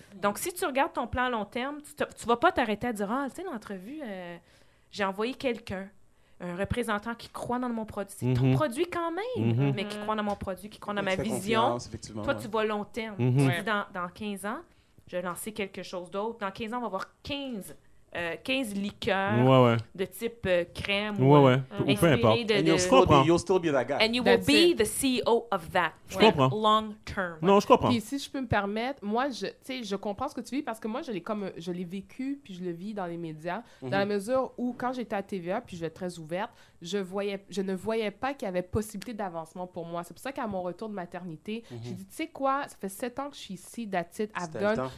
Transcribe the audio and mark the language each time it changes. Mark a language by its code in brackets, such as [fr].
[fr] Donc, si tu regardes ton plan à long terme, tu vas pas t'arrêter à dire, « Ah, tu sais, l'entrevue, j'ai envoyé quelqu'un. » Un représentant qui croit dans mon produit. C'est ton produit quand même, mais qui croit dans mon produit, qui croit dans ma vision. Toi, tu vois long terme. Tu dis dans 15 ans, je vais lancer quelque chose d'autre. Dans 15 ans, on va avoir 15 liqueurs de type crème. Ou peu importe. [en] You'll still be that guy. And you will be the CEO of that. [fr] Je comprends. [en] Long term. [fr] Non, je comprends. Puis si je peux me permettre, moi, je comprends ce que tu vis parce que moi, je l'ai vécu puis je le vis dans les médias. Mm-hmm. Dans la mesure où, quand j'étais à TVA, puis je vais être très ouverte, je ne voyais pas qu'il y avait possibilité d'avancement pour moi. C'est pour ça qu'à mon retour de maternité, j'ai dit, tu sais quoi, ça fait 7 ans que je suis ici, [en] that's it, I've done.